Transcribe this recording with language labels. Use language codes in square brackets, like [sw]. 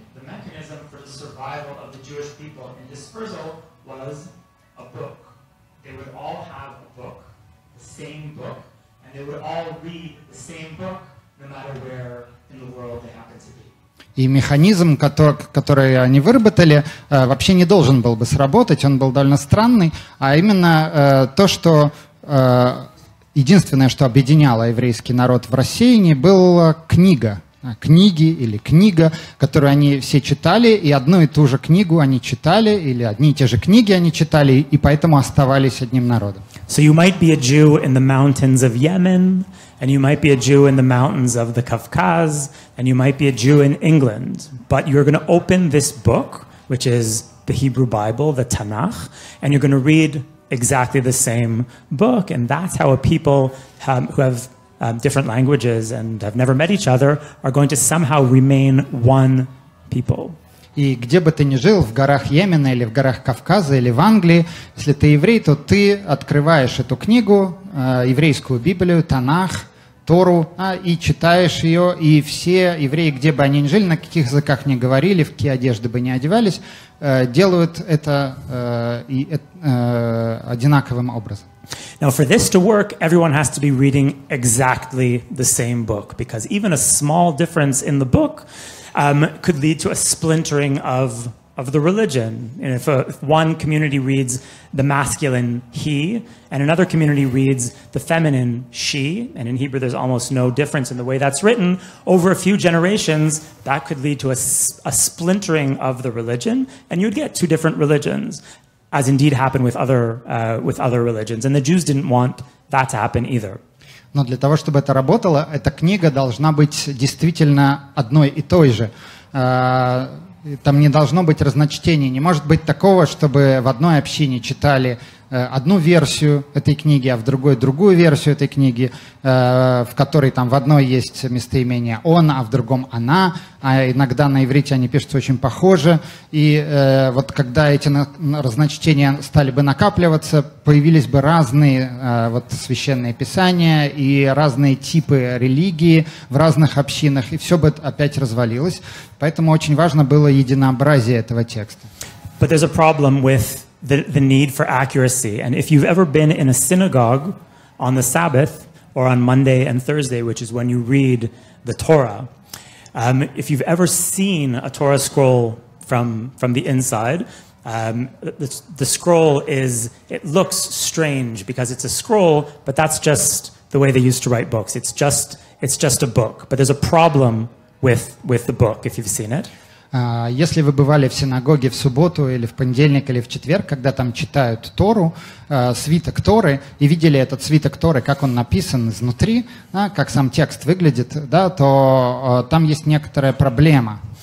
[en] The mechanism for the survival of the Jewish people in dispersal was a book, they would all have a book, the same book, and they would all read the same book, no matter where in the world they happen to be. [ru] И механизм, который они выработали, вообще не должен был бы сработать, он был довольно странный, а именно то, что единственное, что объединяло еврейский народ в рассеянии, была книга, книги или книга, которую они все читали, и одну и ту же книгу они читали, или одни и те же книги они читали, и поэтому оставались одним народом. [en] So you might be a Jew in the mountains of Yemen, and you might be a Jew in the mountains of the Caucasus, and you might be a Jew in England, but you're going to open this book, which is the Hebrew Bible, the Tanakh, and you're going to read exactly the same book, and that's how a people who have different languages and have never met each other are going to somehow remain one people. [ru] И где бы ты ни жил, в горах Йемена или в горах Кавказа или в Англии, если ты еврей, то ты открываешь эту книгу, еврейскую Библию, Танах, Тору, и читаешь ее, и все евреи, где бы они ни жили, на каких языках ни говорили, в какие одежды бы ни одевались, делают это одинаковым образом. [en] Now, for this to work, everyone has to be reading exactly the same book, because even a small difference in the book could lead to a splintering of the religion. And if one community reads the masculine he, and another community reads the feminine she, and in Hebrew there's almost no difference in the way that's written, over a few generations, that could lead to a splintering of the religion, and you'd get two different religions, as indeed happened with other religions. And the Jews didn't want that to happen either. [ru] Но для того, чтобы это работало, эта книга должна быть действительно одной и той же. Там не должно быть разночтений. Не может быть такого, чтобы в одной общине читали одну версию этой книги, а в другой другую версию этой книги, в которой там в одной есть местоимение «он», а в другом «она». А иногда на иврите они пишутся очень похоже. И вот когда эти разночтения стали бы накапливаться, появились бы разные вот священные писания и разные типы религии в разных общинах, и все бы опять развалилось. Поэтому очень важно было единообразие этого текста. [en] But there's a problem with the need for accuracy. And if you've ever been in a synagogue on the Sabbath or on Monday and Thursday, which is when you read the Torah, if you've ever seen a Torah scroll from the inside, the scroll is, it looks strange because it's a scroll, but that's just the way they used to write books. It's just a book. But there's a problem with the book if you've seen it. [ru] Если вы бывали в синагоге в субботу или в понедельник или в четверг, когда там читают Тору, свиток Торы, и видели этот свиток Торы, как он написан изнутри, как сам текст выглядит, да, то там есть некоторая проблема.